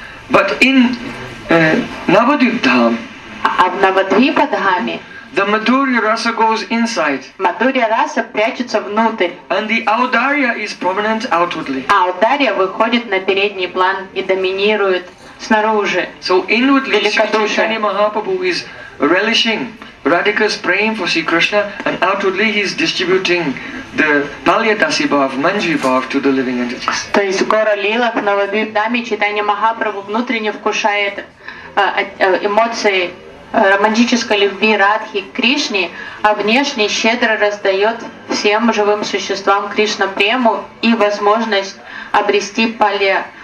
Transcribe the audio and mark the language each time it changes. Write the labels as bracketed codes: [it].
[en] But in Navadvip Dham, [ru] а в Навадвипа Дхаме, [en] the Madhurya Rasa goes inside. [ru] Мадхурья раса прячется внутрь. [en] And the Audarya is prominent outwardly. [ru] А Audarya выходит на передний план и доминирует снаружи. [en] So inwardly, Sri Chaitanya Mahaprabhu is relishing Radhika's praying for Sri Krishna, and outwardly he's distributing the Palyatasi Bhav, Manjri Bhav to the living entities. [ru] То есть в Гора Лилах, в Навадвип Дхаме, Чайтанья Махапрабху внутренне вкушает эмоции романтической любви Радхи к Кришне, а внешне щедро раздает всем живым существам Кришна прему и возможность обрести Палья